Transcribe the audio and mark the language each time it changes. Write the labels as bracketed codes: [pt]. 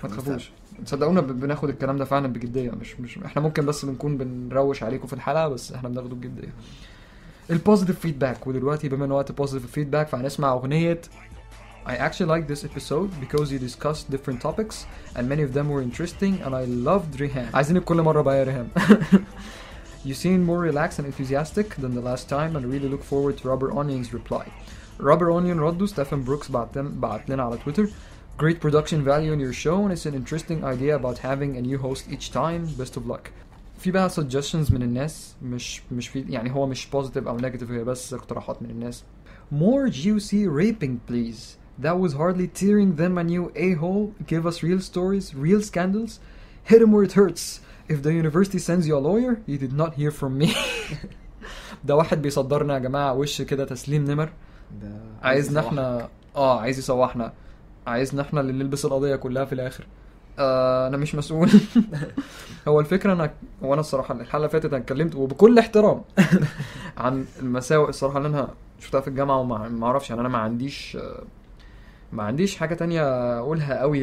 [ar] ما تخافوش، صدقونا بناخد الكلام ده فعلا بجدية، مش احنا ممكن بس بنكون بنروش عليكم في الحلقة بس احنا بناخده بجدية. البوزيتيف فيدباك، ودلوقتي بما ان وقت البوزيتيف فيدباك فهنسمع اغنيه [en] I actually like this episode because you discussed different topics and many of them were interesting and I loved Rehan. [ar] عايزينك كل مره بقى يا ريهام. [en] You seem more relaxed and enthusiastic than the last time and really look forward to Rubber Onion's reply. Rubber Onion [ar] ردوا، ستيفن بروكس بعت لنا على تويتر: [en] Great production value in your show and it's an interesting idea about having a new host each time. Best of luck. [ar] في بقى suggestions من الناس، مش في يعني هو مش positive أو negative، هي بس اقتراحات من الناس: [en] more juicy raping please That was hardly tearing them a new a-hole. Give us real stories, real scandals. Hit him where it hurts. If the university sends you a lawyer, you did not hear from me. [ar] ده واحد بيصدرنا يا جماعة وش كده تسليم نمر. عايزنا احنا عايز يصوحنا. عايزنا احنا اللي نلبس القضية كلها في الاخر. انا مش مسؤول. هو الفكرة انك وانا الصراحة الحلقة اللي فاتت اتكلمت وبكل احترام عن المساوئ الصراحة اللي انا شفتها في الجامعة وما اعرفش يعني انا ما عنديش حاجة تانية اقولها قوي.